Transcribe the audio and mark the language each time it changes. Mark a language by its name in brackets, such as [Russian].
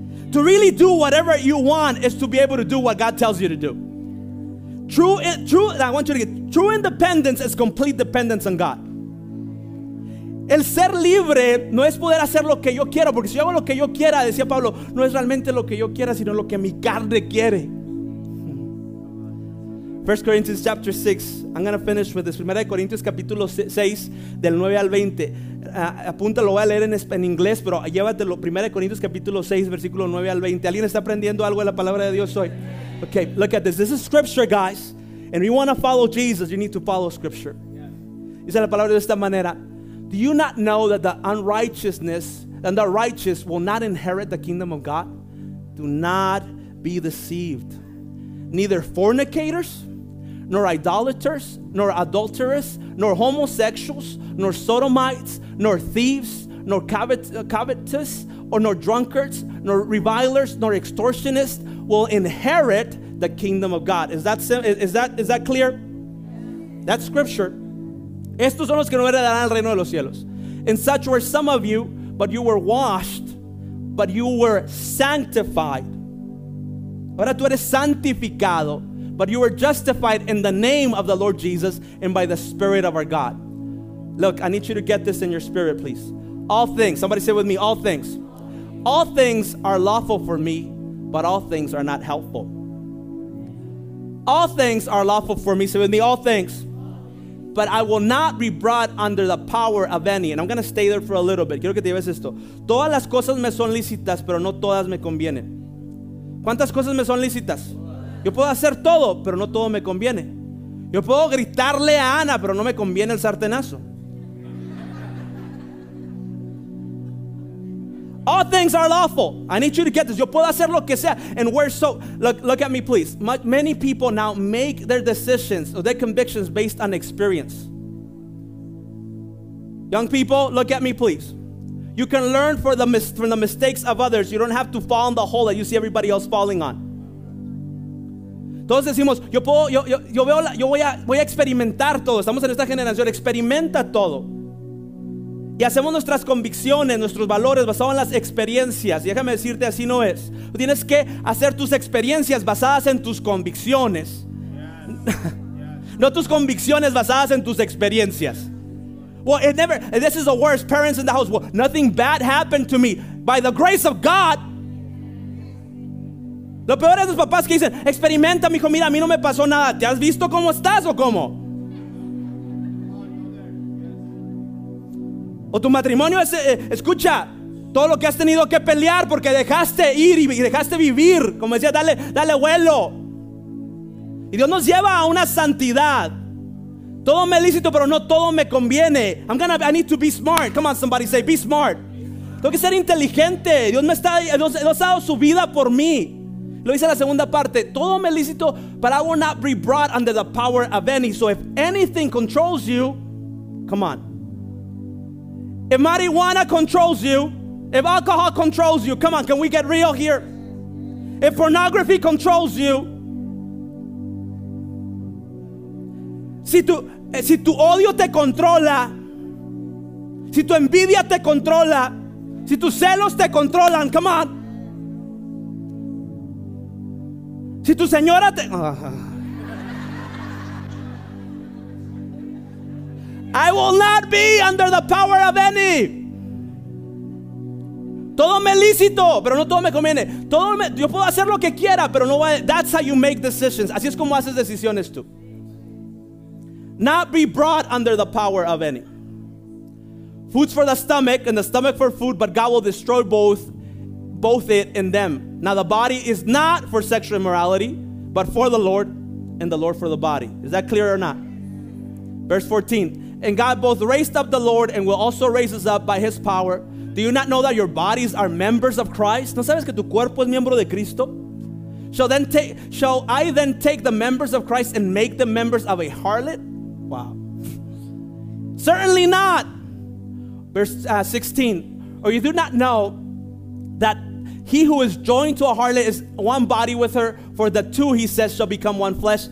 [English] To really do whatever you want is to be able to do what God tells you to do. True independence is complete dependence on God. [Spanish] El ser libre no es poder hacer lo que yo quiero, porque si yo hago lo que yo quiera, decía Pablo, no es realmente lo que yo quiera, sino lo que mi carne quiere. [English] 1 Corinthians chapter 6. I'm going to finish with this. [Spanish] 1 Corinthians capítulo 6 del 9 al 20. Apunta, lo voy a leer en inglés, pero llévatelo. 1 Corintios capítulo 6 versículo 9 al 20. ¿Alguien está aprendiendo algo de la palabra de Dios hoy? [English] Okay, look at this. This is scripture, guys. And if you want to follow Jesus, you need to follow scripture. [Spanish] Dice la palabra de esta manera. [English] Do you not know that the unrighteousness and the righteous will not inherit the kingdom of God? Do not be deceived. Neither fornicators, nor idolaters, nor adulterers, nor homosexuals, nor sodomites, nor thieves, nor covetous, or nor drunkards, nor revilers, nor extortionists will inherit the kingdom of God. Is that clear? That's scripture. [Spanish] Estos son los que no heredarán el reino de los cielos. [English] And such were some of you, but you were washed, but you were sanctified. [Spanish] Ahora tú eres santificado. [English] But you were justified in the name of the Lord Jesus and by the Spirit of our God. Look, I need you to get this in your spirit, please. All things, somebody say with me, all things. All things are lawful for me, but all things are not helpful. All things are lawful for me, say with me, all things. But I will not be brought under the power of any. And I'm going to stay there for a little bit. [Spanish] Quiero que te lleves esto. Todas las cosas me son lícitas, pero no todas me convienen. ¿Cuántas cosas me son lícitas? Yo puedo hacer todo, pero no todo me conviene. Yo puedo gritarle a Ana, pero no me conviene el sartenazo. [English] All things are lawful. I need you to get this. [Spanish] Yo puedo hacer lo que sea. [English] And we're so, look at me, please. Many people now make their decisions or their convictions based on experience. Young people, look at me, please. You can learn from the mistakes of others. You don't have to fall in the hole that you see everybody else falling on. [Spanish] Todos decimos, yo voy a experimentar todo. Estamos en esta generación, experimenta todo. Y hacemos nuestras convicciones, nuestros valores basados en las experiencias. Y déjame decirte, así no es. Tú tienes que hacer tus experiencias basadas en tus convicciones. Yes. No tus convicciones basadas en tus experiencias. [English] Well, it never, this is the worst, parents in the house. Well, nothing bad happened to me. By the grace of God. [Spanish] Lo peor es los papás que dicen, experimenta, mijo, mira, a mí no me pasó nada. ¿Te has visto cómo estás o cómo? O tu matrimonio es, escucha, todo lo que has tenido que pelear porque dejaste ir y dejaste vivir. Como decía, dale vuelo. Y Dios nos lleva a una santidad. Todo me lícito, pero no todo me conviene. [English] I need to be smart. Come on, somebody say, be smart. [Spanish] Tengo que ser inteligente. Dios me está, Dios ha dado su vida por mí. Lo dice la segunda parte. Todo me lícito, [English] but I will not be brought under the power of any. So if anything controls you, come on. If marijuana controls you, if alcohol controls you, come on, can we get real here? If pornography controls you, [Spanish] si tu odio te controla, si tu envidia te controla, si tus celos te controlan, [English] come on. [Spanish] Si tu señora te... [English] I will not be under the power of any. [Spanish] Todo me lícito, pero no todo me conviene. Todo me, yo puedo hacer lo que quiera, pero no voy a, [English] that's how you make decisions. [Spanish] Así es como haces decisiones tú. [English] Not be brought under the power of any. Food's for the stomach and the stomach for food, but God will destroy both it and them. Now the body is not for sexual immorality, but for the Lord, and the Lord for the body. Is that clear or not? Verse 14. And God both raised up the Lord and will also raise us up by his power. Do you not know that your bodies are members of Christ? [Spanish] ¿No sabes que tu cuerpo es miembro de Cristo? [English] Shall I then take the members of Christ and make them members of a harlot? Wow. Certainly not. Verse 16. Or you do not know that he who is joined to a harlot is one body with her, for the two, he says, shall become one flesh.